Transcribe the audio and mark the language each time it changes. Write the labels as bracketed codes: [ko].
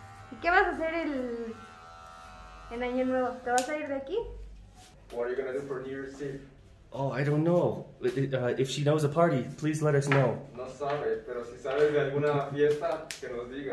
[es] ¿Y qué vas a hacer en año nuevo? ¿Te vas a ir de aquí? [en] What are you gonna do for New Year's Eve? Oh, I don't know. If she knows a party, please let us know. [es] No sabe, pero si sabes de alguna fiesta, que nos digas.